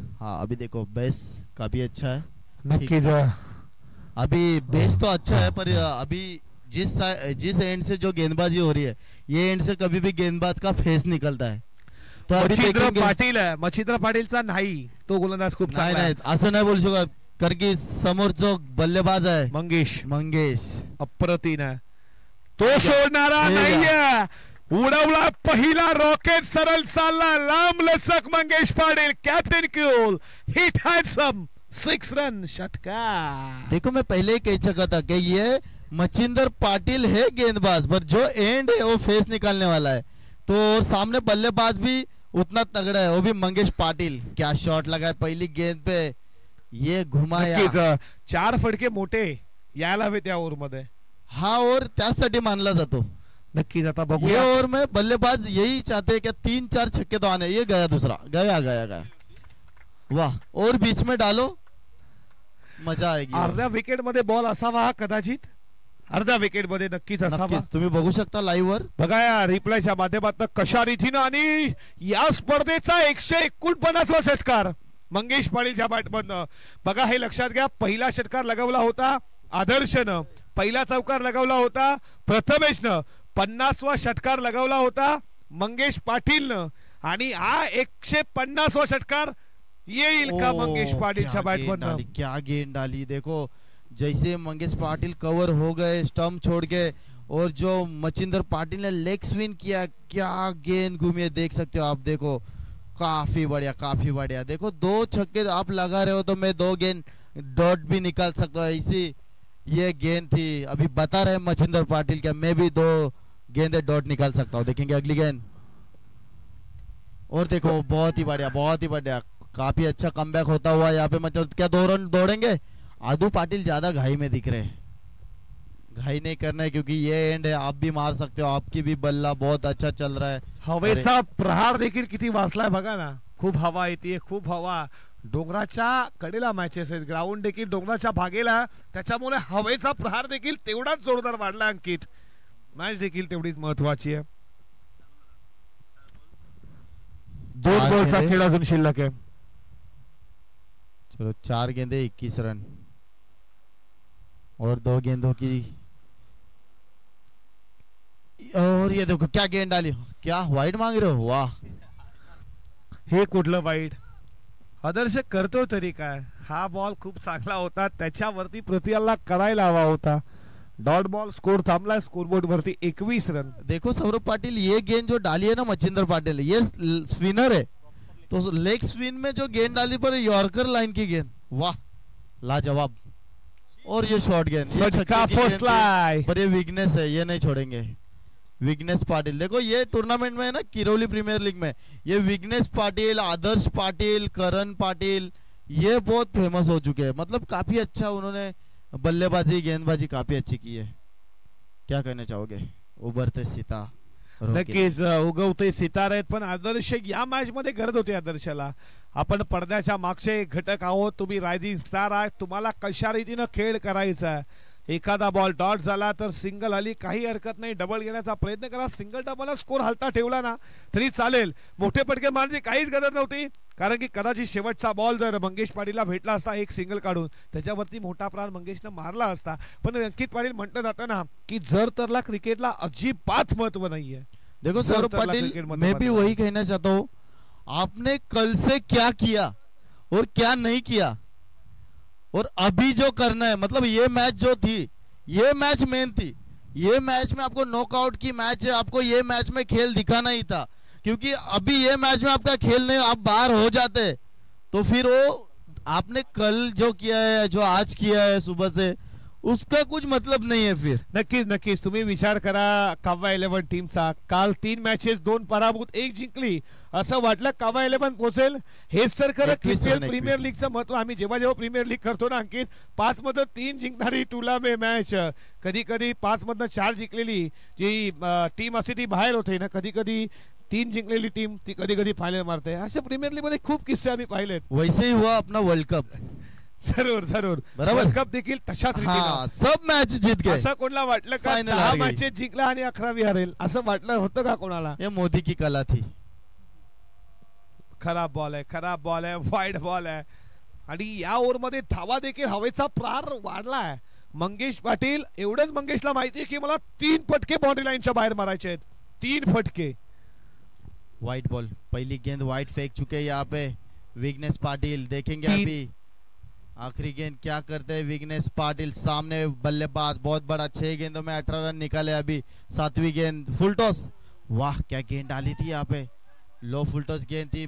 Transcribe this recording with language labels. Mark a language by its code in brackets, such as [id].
[hi] हाँ अभी देखो बेस काफी अच्छा है. अभी बेस तो अच्छा है, पर अभी जिस एंड से जो गेंदबाजी हो रही है ये एंड से कभी भी गेंदबाज का फेस निकलता है. [mr] तो मच्छिंद्र पाटील है, मच्छिंद्र पाटील चा नहीं तो गोलंदाज खूब चांगला आहे. असं नाही बोलू शकत, कारण की समोर जो बल्लेबाज है मंगेश अप्रतिम [hi] है. तो सोडणारा नहीं है. [mr] उडवला पहिला रॉकेट सरळ चालला. लांब लचक Mangesh Patil, captain Kiul hit handsome, 6 run षटका. [hi] देखो मैं पहले ही कह चुका था कि ये मच्छिंद्र पाटील है गेंदबाज, पर जो एंड है वो फेस निकालने वाला है. तो सामने बल्लेबाज भी उतना तगड़ा है, वो भी मंगेश पाटील. क्या शॉट लगाए पहली गेंद पे, ये घुमाया. [mr] चार फटके मोटे यायला हवे त्या ओवर मध्ये. हा ओवर त्यासाठी मानला जातो. नक्की जाता बघूया. [hi] ओवर में बल्लेबाज यही चाहते है कि 3-4 छक्के तो आने. ये गया दूसरा, गया. वाह, और बीच में डालो मजा आएगी. [mr] अर्धा विकेट मध्ये बॉल असावा कदाचित. अर्धा विकेट मध्ये नक्कीच असावा. तुम्ही बघू शकता लाईव्ह वर. बघा या रिप्लायच्या माध्यमातून कशा रीतीनं आणि या स्पर्धेचा 149वा षटकार मंगेश पाटीलच्या बॅटमधनं. बघा हे लक्षात घ्या, पहिला षटकार लगावला होता आदर्शनं, पहिला चौकार लगावला होता प्रथमेशनं, 50वा षटकार लगावला होता मंगेश पाटीलनं, आणि हा 150वा षटकार येईल का मंगेश पाटीलच्या बॅटमधनं. [hi] क्या गेंद आली देखो, जैसे मंगेश पाटील कवर हो गए स्टंप छोड़ के, और जो मच्छिंद्र पाटील ने लेग स्विंग किया, क्या गेंद घूमी है देख सकते हो आप. देखो काफी बढ़िया. देखो दो छक्के आप लगा रहे हो तो मैं दो गेंद डॉट भी निकाल सकता हूँ. ऐसी ये गेंद थी, अभी बता रहे मच्छिंद्र पाटील क्या मैं भी दो गेंदे डॉट निकाल सकता हूँ. देखेंगे अगली गेंद और देखो. बहुत ही बढ़िया. काफी अच्छा कमबैक होता हुआ यहाँ पे. मतलब क्या दो रन दौड़ेंगे. आदु पाटील ज्यादा घाई में दिख रहे हैं. घाई नहीं करना है क्योंकि ये एंड है, आप भी मार सकते हो. आपकी भी बल्ला बहुत अच्छा चल रहा है. [mr] हवेचा प्रहार देखील किती वाजला है बघा ना. खूप हवा येते, खूप हवा. डोंगराच्या कडेला मॅचेस आहेत, ग्राउंड देखील डोंगराच्या भागेला, त्याच्यामुळे हवेचा प्रहार देखील तेवढाच जोरदार वाढला. अंकित मॅच देखील तेवढीच महत्वाची आहे. दोन बॉलचा खेळ अजून शिल्लक आहे. [hi] चलो चार गेंदे 21 रन और दो गेंदों की. और ये देखो क्या गेंद डाली. क्या वाइड मांग रहे हो. वाह, [mr] हे कुठलं वाइड. आदर्श करतो तरी काय. हा बॉल खूप चांगला होता, त्याच्यावरती प्रतियाला करायला हवा होता. डॉट बॉल, स्कोर थांबलाय. स्कोरबोर्ड वरती 21 रन. [hi] देखो सौरभ पाटील, ये गेंद जो डाली है ना मच्छिंद्र पाटील, ये स्पिनर है तो लेग स्पिन में जो गेंद डाली पर यॉर्कर लाइन की गेंद. वाह, लाजवाब. और ये शॉर्ट गेंद, छक्का फर्स्ट लाई. पर ये वीकनेस है, ये नहीं छोड़ेंगे. विघ्नेश पाटिल। देखो ये टूर्नामेंट में है ना, किरौली प्रीमियर लीग में, ये विघ्नेश पाटिल, आदर्श पाटिल, करण पाटिल, ये बहुत फेमस हो चुके हैं। मतलब काफी अच्छा उन्होंने बल्लेबाजी गेंदबाजी काफी अच्छी की है। क्या कहना चाहोगे? उभरते सीता, [mr] नक्कीच उगवते सितारे, पण आदर्श या मॅच मध्ये गरज होती आदर्शाला। आपण पडद्याच्या मागचे घटक आहोत, तुम्ही रायझिंग स्टार आहात, तुम्हाला कशा रीतीने खेळ करायचा। एखादा बॉल डॉट झाला तर सिंगल आली काही हरकत नाही, डबल घेण्याचा प्रयत्न करा। सिंगल डबल स्कोर हलता ठेवला ना तरी चालेल, मोठे फटके मारण्याची काहीच गरज नव्हती, कारण की कदाचित शेवटचा बॉल जर मंगेश पाटीलला भेटला असता एक सिंगल काढून, त्याच्यावरती मोठा प्राण मंगेशनं मारला असता। पण अंकित पाटील म्हटलं जातं ना की जर तरला क्रिकेटला अजिबात महत्व नाहीये। [hi] देखो सौरभ पाटील, मे बी वही कहना चाहता हूँ, आपने कल से क्या किया और क्या नहीं किया और अभी जो करना है, मतलब ये मैच जो थी, ये मैच मेन थी, ये मैच में आपको नॉकआउट की मैच है, आपको ये मैच में खेल दिखाना ही था, क्योंकि अभी ये मैच में आपका खेल नहीं, आप बाहर हो जाते तो फिर वो आपने कल जो किया है, जो आज किया है सुबह से, उसका कुछ मतलब नहीं है फिर। [mr] नक्कीच नक्कीच, तुम्ही विचार करा कव्वा इलेवन टीमचा, काल तीन मॅचेस, दोन पराभूत, एक जिंकली, असं वाटलं कव्वा इलेवन पोहोचेल। हेच तर खरं क्रिकेट प्रीमियर लीगचं महत्व। आम्ही जेव्हा जेव्हा प्रीमियर लीग करतो ना अंकित, पाच मधून तीन जिंकणारी टुर्नामेंट मॅच, कधी कधी पाच मधून चार जिंकलेली जी टीम असते ती बाहेर होते ना, कधी कधी तीन जिंकलेली टीम ती कधी कधी फायनल मारते, असे प्रीमियर लीग मध्ये खूप किस्से आम्ही पाहिलेत। [hi] वैसेही हुआ अपना वर्ल्ड कप, जरूर जरूर, [mr] बरोबर, कप देखील तशाच [hi] रीतीने सब मॅच जीत गए, [mr] असं कोणाला वाटलं का? दहा मॅचेस जिंकला आणि अकरावी हरेल असं वाटलं होतं का कोणाला? [hi] हे मोदी की कला थी। [mr] खराब बॉल आहे, खराब बॉल आहे, वाईड बॉल आहे, आणि या ओव्हर मध्ये धावा देखील हवेचा प्रहार वाढला आहे मंगेश पाटील। एवढंच मंगेशला माहिती आहे की मला तीन फटके बाउंड्री लाईनच्या बाहेर मारायचे आहेत, तीन फटके। [hi] वाईट बॉल, पहिली गेंद वाईट फेक चुके यहाँ पे विघ्नेश पाटील। देखेंगे अभी आखिरी गेंद क्या करते हैं विघ्नेश पाटिल। सामने बल्लेबाज बहुत बड़ा, छह गेंदों में 18 रन निकाले। अभी सातवीं गेंद फुल टॉस, वाह क्या गेंद डाली थी यहाँ पे, लो फुल टॉस गेंद थी।